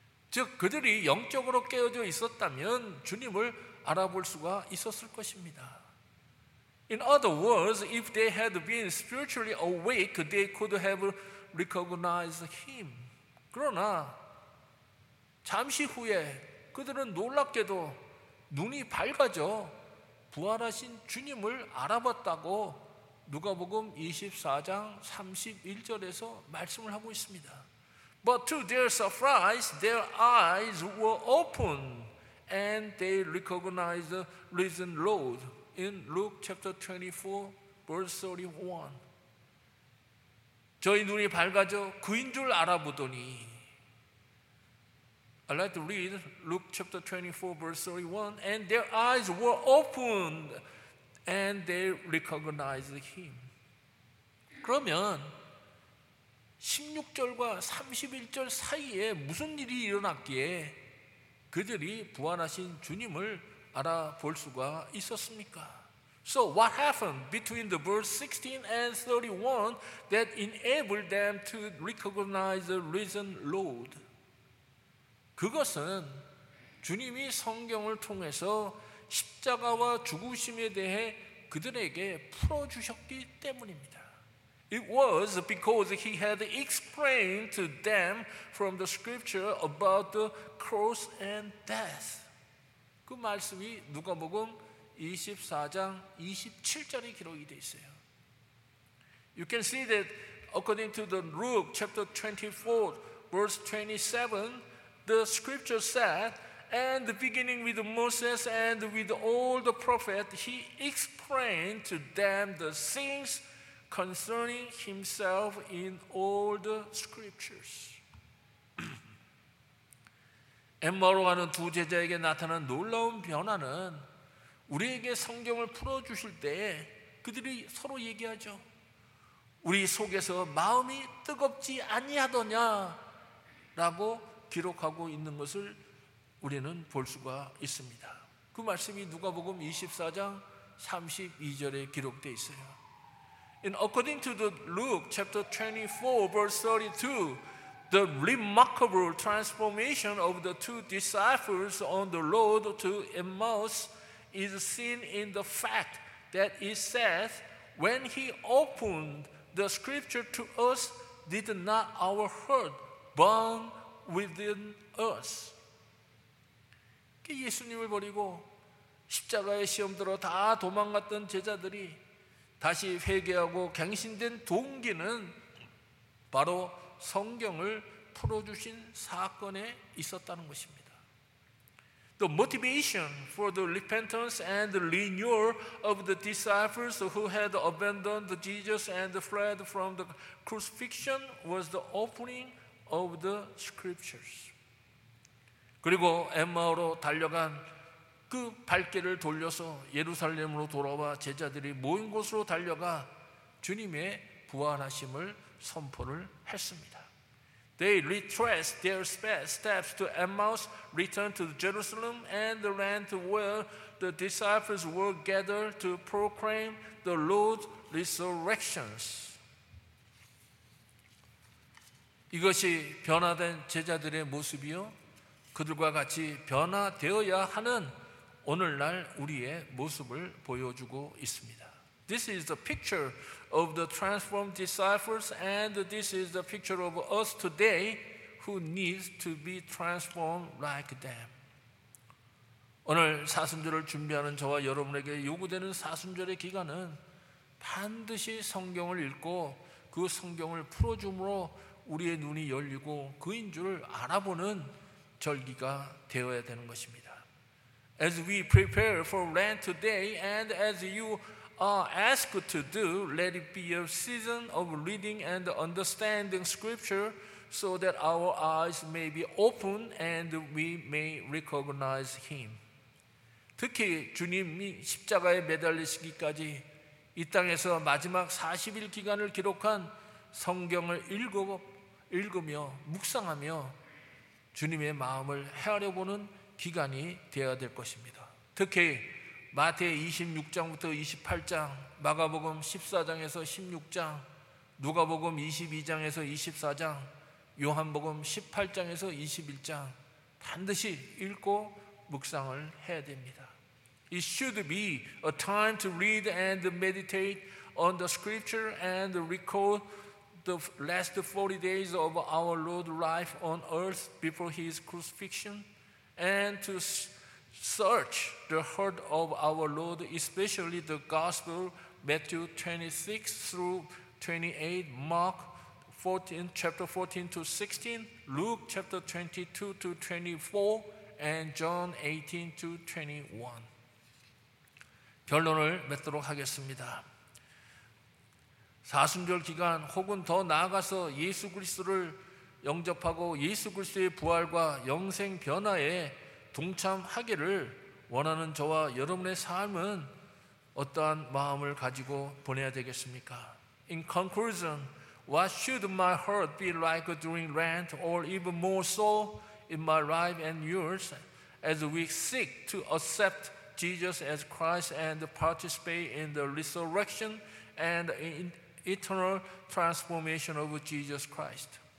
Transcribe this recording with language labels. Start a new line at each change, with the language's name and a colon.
Korean: 즉 그들이 영적으로 깨어져 있었다면 주님을 알아볼 수가 있었을 것입니다.
English: In other words, if they had been spiritually awake, they could have recognized him.
Korean: 그러나 잠시 후에 그들은 놀랍게도 눈이 밝아져 부활하신 주님을 알아봤다고 누가복음 24장 31절에서 말씀을 하고 있습니다.
English: But to their surprise, their eyes were open and they recognized the risen Lord in Luke chapter 24, verse 31.
Korean: 저희 눈이 밝아져 그인 줄 알아보더니
English: I'd like to read Luke chapter 24, verse 31. And their eyes were opened, and they recognized him.
Korean: 그러면 16절과 31절 사이에 무슨 일이 일어났기에 그들이 부활하신 주님을 알아볼 수가 있었습니까?
English: So what happened between the verse 16 and 31 that enabled them to recognize the risen Lord?
Korean: 그것은 주님이 성경을 통해서 십자가와 죽으심에 대해 그들에게 풀어주셨기 때문입니다.
English: It was because he had explained to them from the scripture about the cross and death.
Korean: 그 말씀이 누가복음 24장 27절에 기록이 되어 있어요.
English: You can see that according to the Luke chapter 24 verse 27, the scripture said, and beginning with Moses and with all the prophets, he explained to them the things concerning himself in all the scriptures.
Korean: 엠마오로 가는 두 제자에게 나타난 놀라운 변화는 우리에게 성경을 풀어주실 때 그들이 서로 얘기하죠. 우리 속에서 마음이 뜨겁지 아니하더냐 라고 기록하고 있는 것을 우리는 볼 수가 있습니다. 그 말씀이 누가복음 24장 32절에 기록되어 있어요.
English: And according to the Luke chapter 24 verse 32, the remarkable transformation of the two disciples on the road to Emmaus is seen in the fact that it says, when he opened the scripture to us, did not our heart burn within us?
Korean: 예수님을 버리고 십자가의 시험 들어 다 도망갔던 제자들이 다시 회개하고 갱신된 동기는 바로 성경을 풀어주신 사건에 있었다는 것입니다.
English: The motivation for the repentance and the renewal of the disciples who had abandoned Jesus and fled from the crucifixion was the opening of the scriptures.
Korean: 그리고 엠마오로 달려간 그 발길을 돌려서 예루살렘으로 돌아와 제자들이 모인 곳으로 달려가 주님의 부활하심을 선포를 했습니다.
English: They retraced their steps to Emmaus, returned to Jerusalem and the land where the disciples were gathered to proclaim the Lord's resurrection.
Korean: 이것이 변화된 제자들의 모습이요, 그들과 같이 변화되어야 하는 오늘날 우리의 모습을 보여주고 있습니다.
English: This is the picture of the transformed disciples and this is the picture of us today who needs to be transformed like them.
Korean: 오늘 사순절을 준비하는 저와 여러분에게 요구되는 사순절의 기간은 반드시 성경을 읽고 그 성경을 풀어줌으로 우리의 눈이 열리고 그인 줄 알아보는 절기가 되어야 되는 것입니다.
English: As we prepare for Lent today and as you are asked to do, let it be a season of reading and understanding scripture so that our eyes may be open and we may recognize him.
Korean: 특히 주님이 십자가에 매달리시기까지 이 땅에서 마지막 40일 기간을 기록한 성경을 읽으며 묵상하며 주님의 마음을 헤아려보는 기간이 되어야 될 것입니다. 특히 마태 26장부터 28장, 마가복음 14장에서 16장, 누가복음 22장에서 24장, 요한복음 18장에서 21장 반드시 읽고 묵상을 해야 됩니다.
English: It should be a time to read and meditate on the scripture and recall the last 40 days of our Lord's life on earth before his crucifixion. And to search the heart of our Lord, especially the Gospel, Matthew 26 through 28, Mark 14, chapter 14 to 16, Luke chapter 22 to 24, and John 18 to 21.
Korean: 결론을 맺도록 하겠습니다. 사순절 기간 혹은 더 나아가서 예수 그리스도를 영접하고 예수 그리스도의 부활과 영생 변화에 동참하기를 원하는 저와 여러분의 삶은 어떠한 마음을 가지고 보내야 되겠습니까?
English: In conclusion, what should my heart be like during Lent or even more so in my life and yours as we seek to accept Jesus as Christ and participate in the resurrection and in eternal transformation of Jesus Christ?